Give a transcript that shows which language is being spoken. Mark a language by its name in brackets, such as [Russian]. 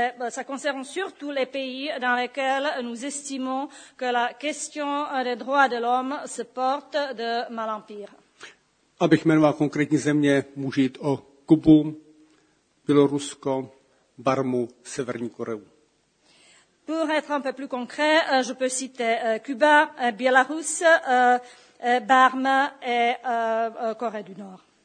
[French] Ça concerne surtout les pays dans lesquels nous estimons que la question des droits de l'homme se porte de mal en pire. [Czech] Abych jmenoval konkrétní země, může jít o Kubu, Bělorusko, Barmu, Severní Koreu. [French] Pour être un peu plus concret, je peux citer Cuba, Bielorus, Barme et Corée du Nord.